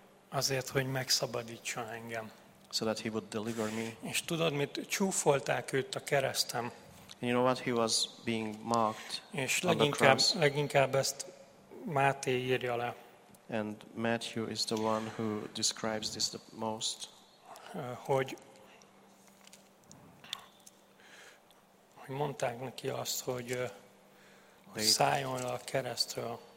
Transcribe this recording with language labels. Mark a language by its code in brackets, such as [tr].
[hu] Azért, hogy megszabadítson engem. [en] So that he would deliver me. [hu] És tudod mit, csúfolták őt a keresztem. [en] You know what, he was being mocked. [hu] És leginkább ezt Máté írja le. [en] And Matthew is the one who describes this the most. [hu] Hogy mondták neki azt, hogy szálljon le a keresztről.